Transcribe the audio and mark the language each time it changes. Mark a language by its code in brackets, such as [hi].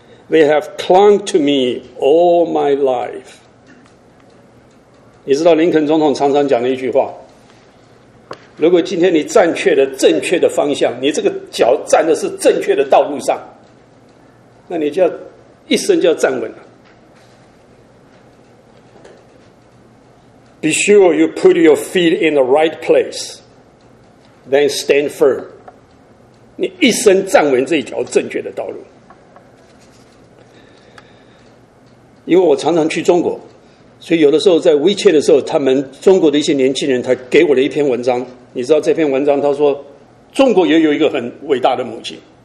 [en] They have clung to me all my life. [zh] 你知道林肯总统常常讲的一句话，如果今天你站确了正确的方向，你这个脚站的是正确的道路上，那你就要一生就要站稳了。 [en] Be sure you put your feet in the right place, then stand firm. [zh] 你一生站稳这一条正确的道路。因为我常常去中国，所以有的时候在WeChat的时候，他们中国的一些年轻人，他给我了一篇文章。你知道这篇文章，他说中国也有一个很伟大的母亲。